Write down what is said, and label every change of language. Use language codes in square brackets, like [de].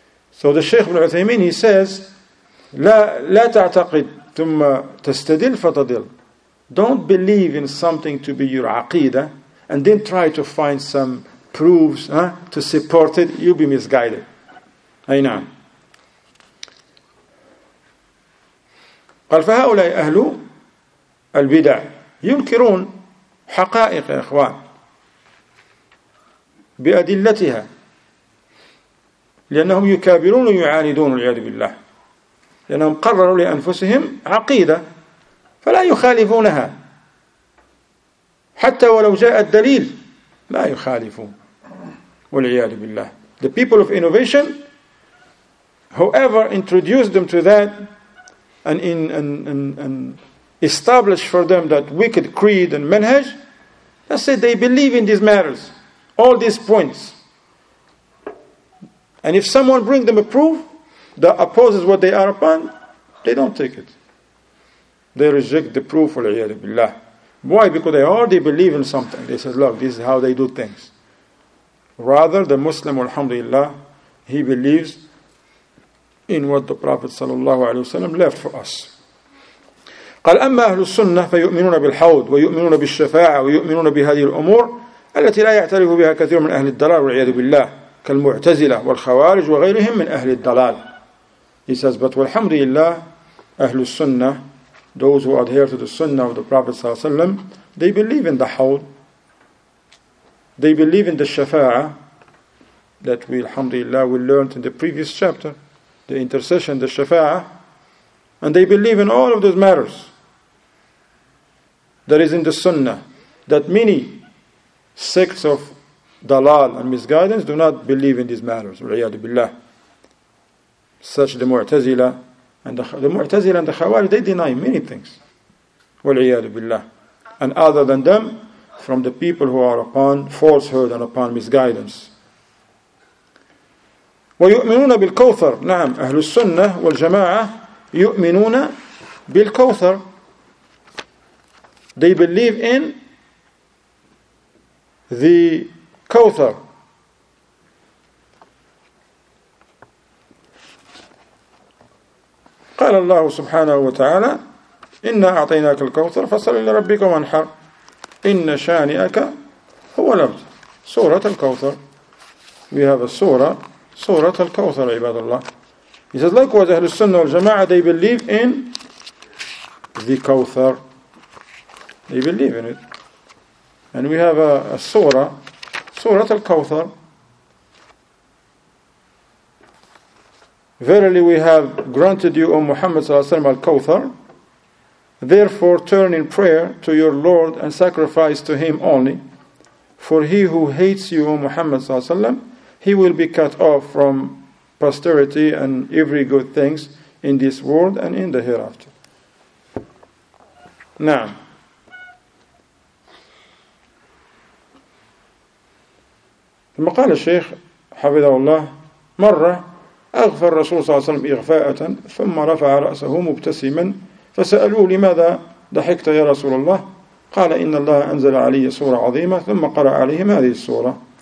[en] So the Shaykh ibn Uthaymeen, he says, [ar] لَا تَعْتَقِدْ ثُمَّ تَسْتَدِلْ فَتَدِلْ. [en] Don't believe in something to be your aqeedah, and then try to find some proofs to support it, you'll be misguided. Aynan. [ar] قال فهؤلاء أهل البدع ينكرون حقائق يا إخوان بأدلتها لأنهم يكابرون ويعاندون والعياذ بالله لأنهم قرروا لأنفسهم عقيدة فلا يخالفونها حتى ولو جاء الدليل لا يخالفون والعياذ بالله. [en] The people of innovation, whoever introduced them to that and establish for them that wicked creed and manhaj, let's say they believe in these matters, all these points. And if someone brings them a proof that opposes what they are upon, they don't take it. They reject the proof of al-iyadu billah. Why? Because they already believe in something. They say, look, this is how they do things. Rather, the Muslim, alhamdulillah, he believes in what the Prophet sallallahu alaihi wasallam left for us. [ar] قال أما أهل السنة فيؤمنون بالحوض ويؤمنون بالشفاعة ويؤمنون بهذه الأمور التي لا يعترف بها كثير من أهل الضلال والعياذ بالله كالمعتزلة والخوارج وغيرهم من أهل الضلال. [en] He says, but [ar] والحمد لله أهل السنة, [en] those who adhere to the Sunnah of the Prophet صلى الله عليه وسلم, they believe in the حوض, they believe in the شفاعة that we, الحمد لله, we learned in the previous chapter, the intercession, the شفاعة, and they believe in all of those matters that is in the Sunnah, that many sects of dalal and misguidance do not believe in these matters, [ar] وَالْعِيَادِ بِاللَّهِ, [en] such the Mu'tazila, and the Mu'tazila and the Khawarij, they deny many things, وَالْعِيَادِ بِاللَّهِ, and other than them, from the people who are upon falsehood and upon misguidance. [ar] وَيُؤْمِنُونَ بِالْكَوْثَرِ. نعم, أهل السنة والجماعة يؤمنون بالكوثر. [en] They believe in the كوثر. [ar] قال الله سبحانه وتعالى إنا أعطيناك الكوثر فصل لربك وانحر إن شانئك هو الأبتر. سورة الكوثر. [en] We have a surah, سورة الكوثر, [ar] عباد الله. [en] He says, likewise, Ahlul Sunnah wal-Jama'ah, they believe in the Kawthar. They believe in it. And we have a surah, Surah Al-Kawthar. Verily, we have granted you, O Muhammad sallallahu alayhi wa sallam, Al-Kawthar. Therefore, turn in prayer to your Lord and sacrifice to Him only. For he who hates you, O Muhammad sallallahu alayhi wa sallam, he will be cut off from posterity and every good things in this world and in the hereafter. Now, [ar] ثم قال الشيخ حفظه الله مرة أغفى الرسول صلى الله عليه وسلم إغفاءة ثم رفع رأسه مبتسما فسألوه لماذا ضحكت يا رسول الله قال إن الله أنزل علي سورة عظيمة ثم قرأ عليهم هذه السورة